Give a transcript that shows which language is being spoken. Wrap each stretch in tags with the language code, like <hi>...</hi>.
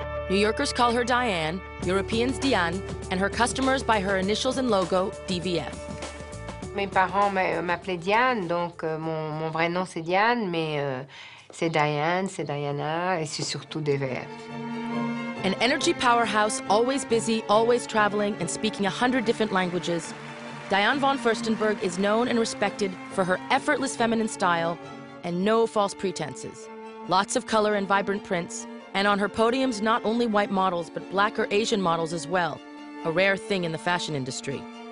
<en>New Yorkers call her Diane, Europeans Diane, and her customers by her initials and logo, DVF.</en> <fr>Mes parents m'appelaient Diane, donc mon vrai nom c'est Diane, mais c'est Diane, c'est Diana, et c'est surtout DVF.</fr> <en>An energy powerhouse, always busy, always traveling, and speaking 100 different languages, Diane Von Furstenberg is known and respected for her effortless feminine style and no false pretenses. Lots of color and vibrant prints, and on her podiums, not only white models, but black or Asian models as well, a rare thing in the fashion industry.</en>